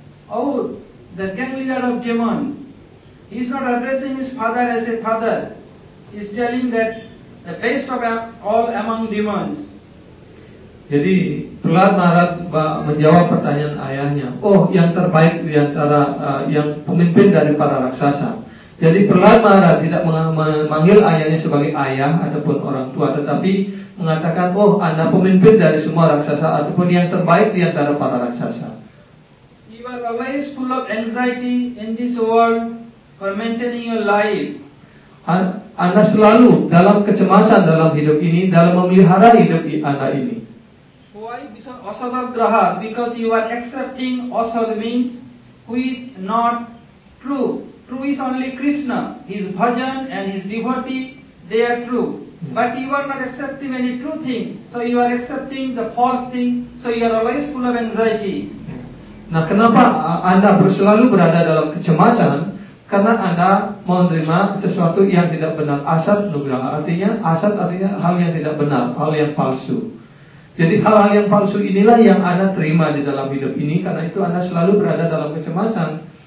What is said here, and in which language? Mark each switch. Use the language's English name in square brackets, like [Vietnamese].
[English] Oh, the gangleader of demon, he is not addressing his father as a father. He is telling that the best of all among demons. [Indonesian] Jadi Prahlad Maharaj menjawab pertanyaan ayahnya, "Oh, yang terbaik di antara yang pemimpin dari para raksasa." Jadi Prahlad Maharaj tidak memanggil ayahnya sebagai ayah ataupun orang tua, tetapi mengatakan, "Oh, anda pemimpin dari semua raksasa ataupun yang terbaik di antara para raksasa." [English] "You are always full of anxiety in this world for maintaining your life." [Indonesian] Anda selalu dalam kecemasan dalam hidup ini, dalam memelihara hidup anda ini. [English] "Why asadagraha? Because you are accepting asad means who is not true. True is only Krishna. His bhajan and his devotee, they are true. But you are not accepting any true thing. So you are accepting the false thing. So you are always full of anxiety." [Indonesian] Nah, kenapa anda selalu berada dalam kecemasan? Karena anda menerima sesuatu yang tidak benar. Asad nugraha. Artinya asad artinya hal yang tidak benar, hal yang palsu. Jadi hal-hal yang palsu inilah yang anda terima di dalam hidup ini, karena itu anda selalu berada dalam kecemasan.